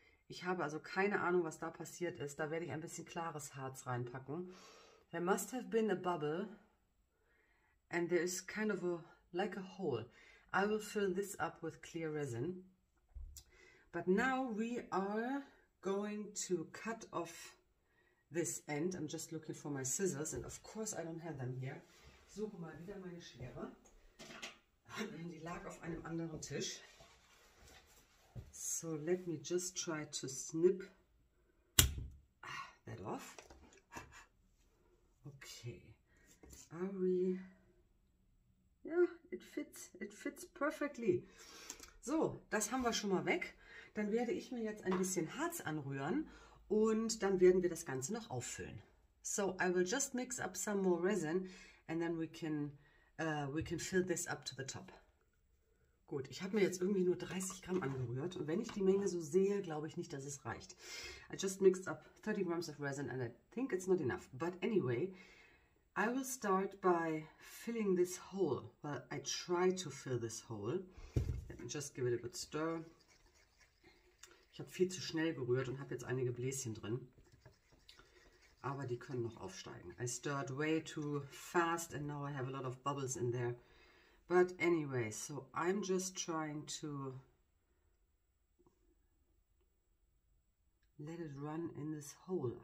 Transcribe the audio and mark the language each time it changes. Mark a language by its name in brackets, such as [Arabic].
[German] Ich habe also keine Ahnung, was da passiert ist. Da werde ich ein bisschen klares Harz reinpacken. [English] There must have been a bubble. And there is kind of a, like a hole. I will fill this up with clear resin. But now we are going to cut off this end. I'm just looking for my scissors. And of course I don't have them here. [German] Ich suche mal wieder meine Schere. Die lag auf einem anderen Tisch. [English] So let me just try to snip that off. Okay. Are we... Yeah, it fits. It fits perfectly. [German] So, das haben wir schon mal weg. Dann werde ich mir jetzt ein bisschen Harz anrühren und dann werden wir das Ganze noch auffüllen. [English] So, I will just mix up some more resin and then we can fill this up to the top. [German] Gut, ich habe mir jetzt irgendwie nur 30 Gramm angerührt und wenn ich die Menge so sehe, glaube ich nicht, dass es reicht. [English] I just mixed up 30 grams of resin and I think it's not enough. But anyway, I will start by filling this hole. Well, I try to fill this hole. Let me just give it a good stir. [German] Ich habe viel zu schnell gerührt und habe jetzt einige Bläschen drin. Aber die können noch aufsteigen. [English] I stirred way too fast and now I have a lot of bubbles in there. But anyway, so I'm just trying to let it run in this hole.